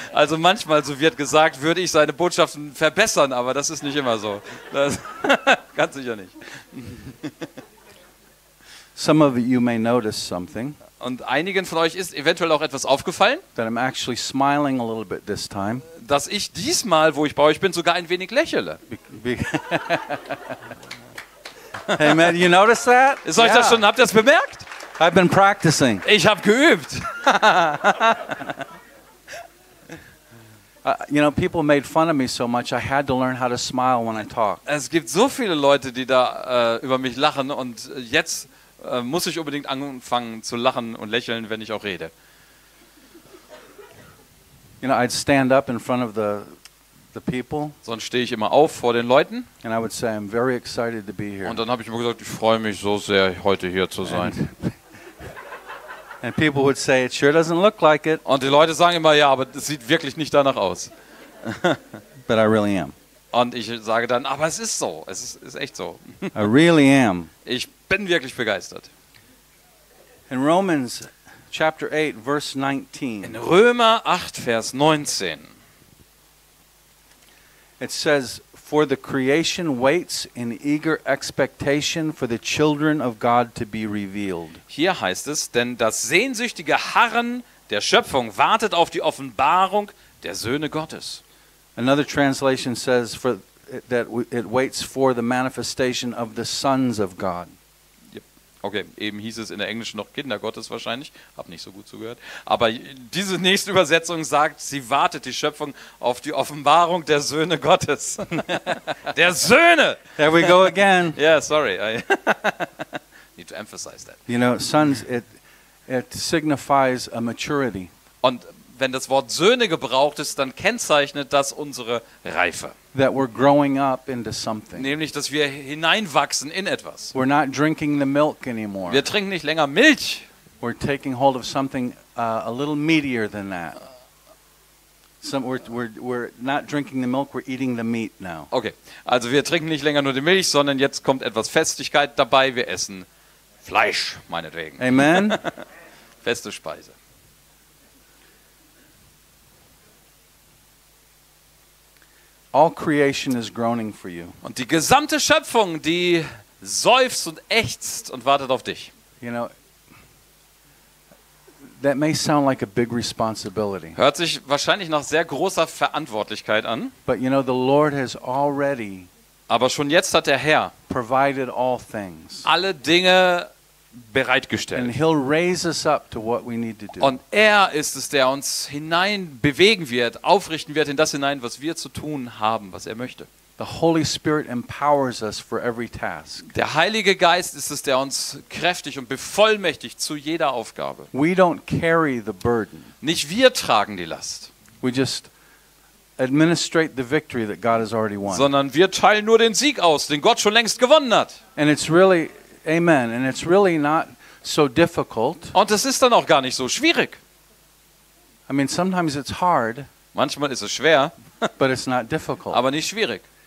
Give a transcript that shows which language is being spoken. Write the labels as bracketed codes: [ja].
[de] Also manchmal, so wird gesagt, würde ich seine Botschaften verbessern, aber das ist nicht immer so. Das, ganz sicher nicht. [en] Some of you may notice something. [de] Und einigen von euch ist eventuell auch etwas aufgefallen, [en] that I'm actually smiling a little bit this time. [de] Dass ich diesmal, wo ich bei euch bin, sogar ein wenig lächele. [en] Hey man, you notice that? [de] Ist euch das schon, habt ihr das bemerkt? [en] I've been practicing. [de] Ich habe geübt. [en] You know, people made fun of me so much, I had to learn how to smile when I talk. [de] Es gibt so viele Leute, die da über mich lachen, und jetzt muss ich unbedingt anfangen zu lachen und lächeln, wenn ich auch rede. [en] You know, I'd stand up in front of the people. [de] Sonst stehe ich immer auf vor den Leuten. [en] And I would say, I'm very excited to be here. [de] Und dann habe ich immer gesagt, ich freue mich so sehr, heute hier zu sein. [en] And people would say, it sure doesn't look like it. [de] Und die Leute sagen immer, ja, aber es sieht wirklich nicht danach aus. [en] But I really am. [de] Und ich sage dann, aber es ist so, es ist echt so. [en] I really am. [de] Ich bin wirklich begeistert. [en] In Romans chapter 8, verse 19. [de] In Römer 8, Vers 19. [en] It says, for the creation waits in eager expectation for the children of God to be revealed. [de] Hier heißt es, denn das sehnsüchtige Harren der Schöpfung wartet auf die Offenbarung der Söhne Gottes. [en] Another translation says that it waits for the manifestation of the sons of God. Yep. [de] Okay, eben hieß es in der Englischen noch Kinder Gottes wahrscheinlich, habe nicht so gut zugehört. Aber diese nächste Übersetzung sagt, sie wartet die Schöpfung auf die Offenbarung der Söhne Gottes. Der Söhne! [en] There we go again. Yeah, sorry. I need to emphasize that. You know, sons, it signifies a maturity. [de] Und wenn das Wort Söhne gebraucht ist, dann kennzeichnet das unsere Reife. [en] That we're growing up into something. [de] Nämlich, dass wir hineinwachsen in etwas. [en] We're not drinking the milk anymore. [de] Wir trinken nicht länger Milch. [en] We're taking hold of something a little meatier than that. We're not drinking the milk, we're eating the meat now. [de] Okay, also wir trinken nicht länger nur die Milch, sondern jetzt kommt etwas Festigkeit dabei. Wir essen Fleisch, meinetwegen. Amen. Feste Speise. [en] All creation is groaning for you. [de] Und die gesamte Schöpfung, die seufzt und ächzt und wartet auf dich. [en] You know, that may sound like a big responsibility. [de] Hört sich wahrscheinlich nach sehr großer Verantwortlichkeit an. [en] But you know, the Lord has already. [de] Aber schon jetzt hat der Herr [en] provided all things. [de] Alle Dinge bereitgestellt. [en] And he'll raise us up to what we need to do. [de] Und er ist es, der uns hinein bewegen wird, aufrichten wird in das hinein, was wir zu tun haben, was er möchte. [en] The Holy Spirit empowers us for every task. [de] Der Heilige Geist ist es, der uns kräftig und bevollmächtigt zu jeder Aufgabe. [en] We don't carry the burden. [de] Nicht wir tragen die Last. [en] We just administrate the victory that God has already won. [de] Sondern wir teilen nur den Sieg aus, den Gott schon längst gewonnen hat. [en] And it's really Amen. And it's really not so difficult. [de] Und es ist dann auch gar nicht so schwierig. [en] I mean, sometimes it's hard. [de] Manchmal ist es schwer. [en] But it's not difficult. [de] Aber nicht schwierig.